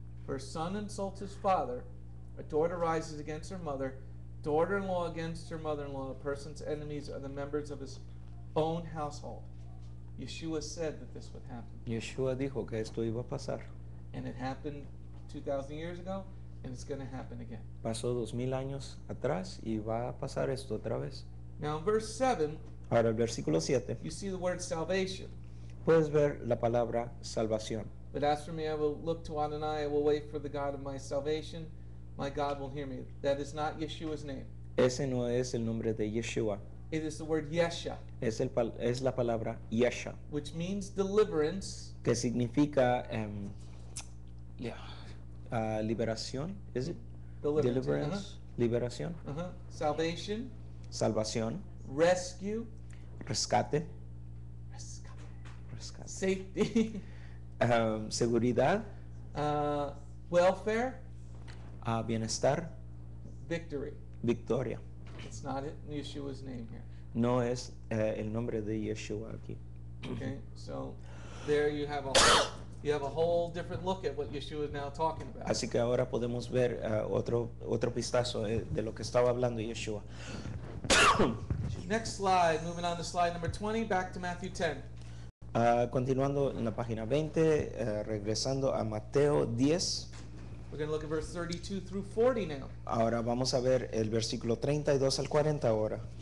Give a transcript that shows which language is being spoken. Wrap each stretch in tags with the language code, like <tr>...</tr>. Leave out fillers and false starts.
<en>For a son insults his father, a daughter rises against her mother, daughter-in-law against her mother-in-law. A person's enemies are the members of his own household. Yeshua said that this would happen.</en> <es>Yeshua dijo que esto iba a pasar.</es> <en>And it happened 2,000 years ago, and it's going to happen again.</en> <es>Pasó 2,000 años atrás y va a pasar esto otra vez.</es> <en>Now in verse 7,</en> <es>ahora el versículo 7,</es> <en>you see the word salvation.</en> <es>Puedes ver la palabra salvación.</es> <en>But as for me, I will look to Adonai, I will wait for the God of my salvation. My God will hear me. That is not Yeshua's name.</en> <es>Ese no es el nombre de Yeshua.</es> <en>It is the word Yesha.</en> <es>Es la palabra Yesha.</es> <en>Which means deliverance.</en> <es>Que significa liberación.</es> <en>Is it? Deliverance.</en> <es>Uh-huh. Liberación.</es> <en>Uh-huh. Salvation.</en> <es>Salvación.</es> <en>Rescue.</en> <es>Rescate. Rescate. Safety. Seguridad.</es> <en>Welfare.</en> <es>Bienestar.</es> <en>Victory.</en> <es>Victoria.</es> <en>It's not it. Yeshua's name here.</en> <es>No es el nombre de Yeshua aquí.</es> <en>Okay, so there you have a whole different look at what Yeshua is now talking about.</en> <es>Así que ahora podemos ver otro pistazo de lo que estaba hablando Yeshua.</es> <en>Next slide, moving on to slide number 20, back to Matthew 10.</en> <es>Continuando en la página 20, regresando a Mateo 10.</es> <en>We're going to look at verse 32 through 40 now.</en> <es>Ahora vamos a ver el versículo 32 al 40 ahora.</es>